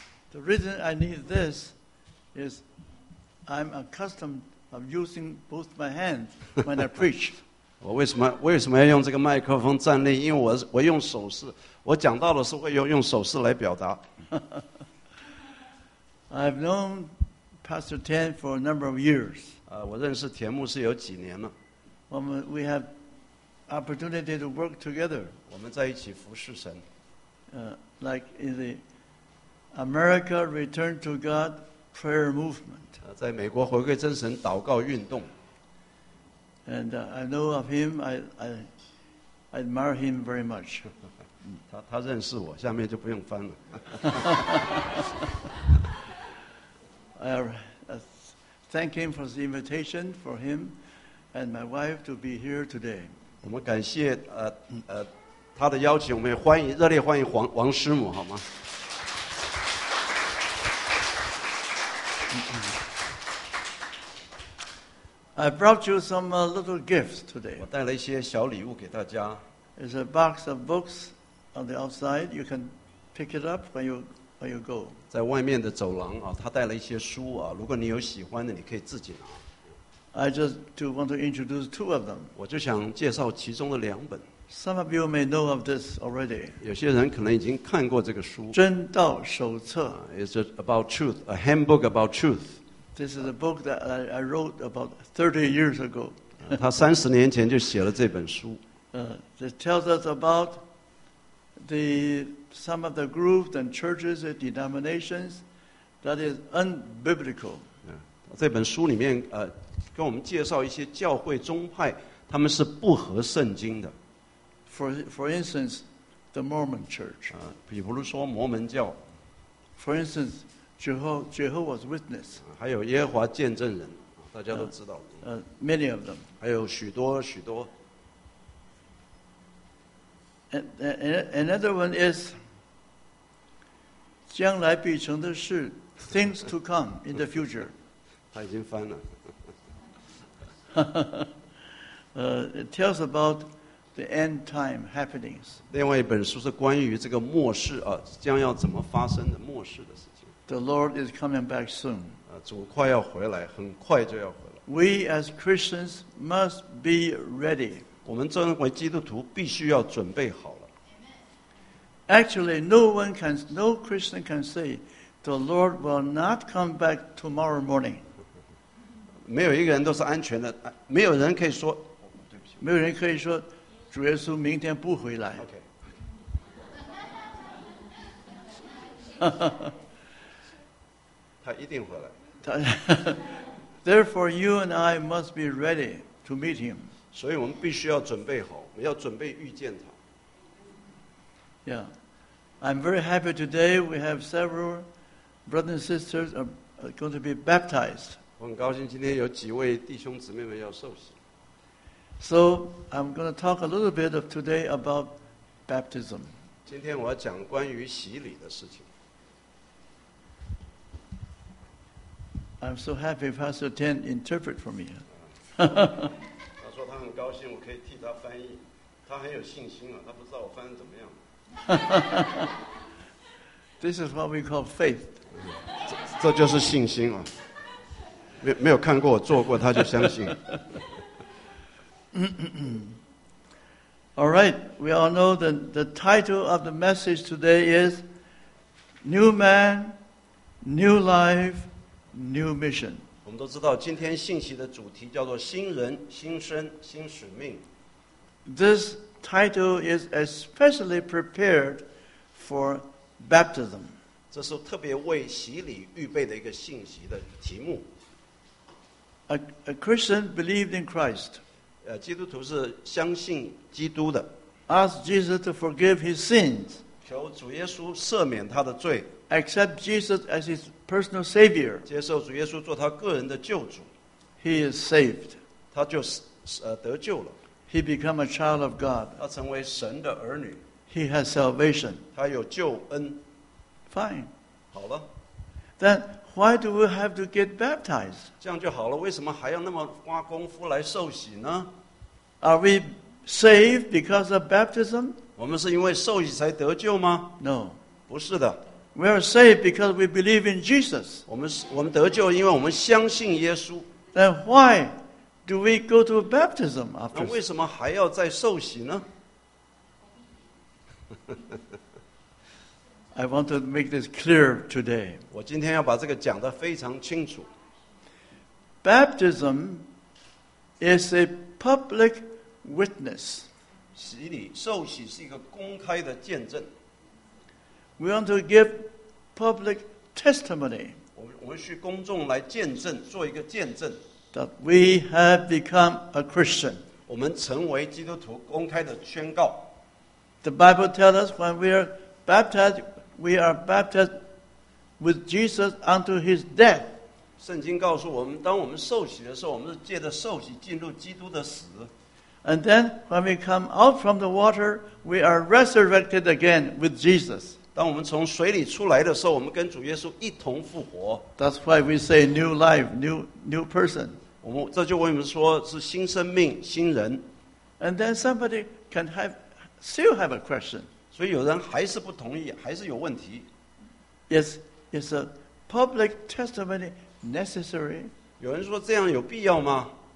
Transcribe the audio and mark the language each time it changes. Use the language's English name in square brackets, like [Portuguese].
[English] The reason I need this is I'm accustomed of using both my hands when I preach. [Chinese] 我为什么要用这个麦克风站立？因为我用手势，我讲到的时候会用手势来表达。 [English] I've known Pastor Tian for a number of years. [Chinese] 我认识田牧师有几年了。 [English] We have opportunity to work together. [Chinese] 我们在一起服侍神。 [English] Like in the America Return to God Prayer Movement. [Chinese] 在美国回归真神祷告运动。 [English] And I know of him. I admire him very much. [Chinese] 他认识我，下面就不用翻了。 [English] Thank him for the invitation for him and my wife to be here today. [Chinese] 我们感谢他的邀请，我们也欢迎热烈欢迎王师母，好吗？ [English] I brought you some little gifts today. [Chinese] 我带了一些小礼物给大家。 [English] It's a box of books on the outside. You can pick it up when you go. [Chinese] 在外面的走廊啊，他带了一些书啊。如果你有喜欢的，你可以自己拿。 [English] I just do want to introduce two of them. [Chinese] 我就想介绍其中的两本。 [English] Some of you may know of this already. [Chinese] 有些人可能已经看过这个书。真道手册。 [English] It's about truth, a handbook about truth. This is a book that I wrote about 30 years ago. [Chinese] 他三十年前就写了这本书。 [English] It tells us about some of the groups and churches and denominations that is unbiblical. [Chinese] 这本书里面跟我们介绍一些教会宗派，他们是不合圣经的。 [English] For instance, the Mormon Church. [Chinese] 比如说摩门教。 [English] For instance. Jehovah's Witness. [Chinese] 还有耶和华见证人，大家都知道。 [English] Many of them. [Chinese] 还有许多许多。 [English] Another one is [Chinese] 将来必成的事 [English] things to come in the future. [Chinese] 他已经翻了。 [English] It tells about the end time happenings. [Chinese] 另外一本书是关于这个末世将要怎么发生的末世的事。 [English] The Lord is coming back soon. [Chinese] 主快要回来，很快就要回来。 [English] We as Christians must be ready. [Chinese] 我们作为基督徒必须要准备好了。 [English] Actually, no Christian can say the Lord will not come back tomorrow morning. [Chinese] 没有一个人都是安全的，没有人可以说，没有人可以说主耶稣明天不回来。他一定回来。 [English] Therefore, you and I must be ready to meet him. [Chinese] 所以我们必须要准备好，我们要准备遇见他。 [English] Yeah, I'm very happy today. We have several brothers and sisters are going to be baptized. [Chinese] 我很高兴今天有几位弟兄姊妹们要受洗。 [English] So I'm going to talk a little bit of today about baptism. [Chinese] 今天我要讲关于洗礼的事情。 [English] I'm so happy Pastor Tian interpreted for me. [Chinese] 他说他很高兴我可以替他翻译，他很有信心啊，他不知道我翻译怎么样。 This is what we call faith. 这就是信心啊。没有看过我做过，他就相信。 [English] All right, we all know that the title of the message today is New Man, New Life. New mission. [Chinese] 我们都知道今天信息的主题叫做新人、新生、新使命。 [English] This title is especially prepared for baptism. [Chinese] 这是特别为洗礼预备的一个信息的题目。 [English] A Christian believed in Christ. [Chinese] 基督徒是相信基督的。 [English] Ask Jesus to forgive his sins. [Chinese] 求主耶稣赦免他的罪。 [English] Accept Jesus as his personal savior. [Chinese] 接受主耶稣做他个人的救主。 [English] He is saved. [Chinese] 他就得救了。 [English] He became a child of God. [Chinese] 他成为神的儿女。 [English] He has salvation. [Chinese] 他有救恩。 [English] Fine. [Chinese] 好了。 [English] Then why do we have to get baptized? [Chinese] 这样就好了，为什么还要那么花功夫来受洗呢？ [English] Are we saved because of baptism? [Chinese] 我们是因为受洗才得救吗？ [English] No. [Chinese] 不是的。 [English] We are saved because we believe in Jesus. [Chinese] 我们得救，因为我们相信耶稣。 [English] Then why do we go to baptism after? [Chinese] 那为什么还要再受洗呢？ [English] I want to make this clear today. [Chinese] 我今天要把这个讲得非常清楚。 [English] Baptism is a public witness. [Chinese] 洗礼，受洗是一个公开的见证。 [English] We want to give public testimony. [Chinese] 我们去公众来见证，做一个见证。 [English] That we have become a Christian. [Chinese] 我们成为基督徒，公开的宣告。 [English] The Bible tells us when we are baptized, we are baptized with Jesus unto His death. [Chinese] 圣经告诉我们，当我们受洗的时候，我们是借着受洗进入基督的死。 [English] And then when we come out from the water, we are resurrected again with Jesus. [Chinese] 当我们从水里出来的时候，我们跟主耶稣一同复活。 [English] That's why we say new life, new person. [Chinese] 我们这就为我们说是新生命、新人。 [English] And then somebody can have. Still have a question. [Chinese] 所以有人还是不同意，还是有问题。 [English] Yes, is a public testimony necessary? [Chinese] 有人说这样有必要吗？